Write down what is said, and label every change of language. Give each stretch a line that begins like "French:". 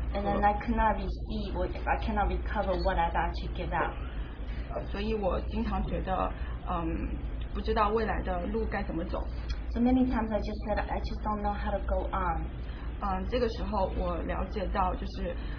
English: And then I cannot recover what I've actually given up.
Chinese: 所以我经常觉得不知道未来的路该怎么走。
English: So many times I just said I just don't know how to go on.
Chinese: 这个时候我了解到就是